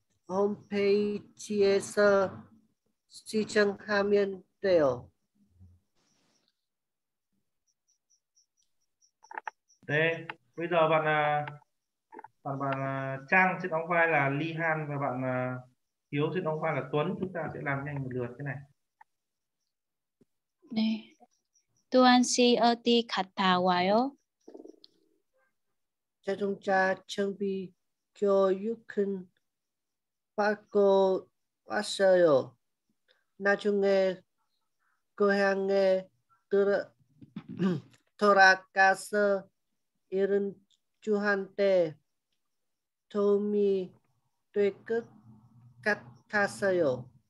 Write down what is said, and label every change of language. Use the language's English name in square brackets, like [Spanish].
[Korean] 홈페이지에서 신청하면 돼요. [Vietnamese] 네, bây giờ bạn Trang sẽ đóng vai là Ly Han và bạn Hiếu sẽ đóng vai là Tuấn. Chúng ta sẽ làm nhanh một lượt thế này. [Korean] 네, 두안 씨 어디 갔다 와요? 자동차 정비 교육은 받고 왔어요. 나중에 고향에 돌아가서 이런 주한테 도움이 될 것 같았어요.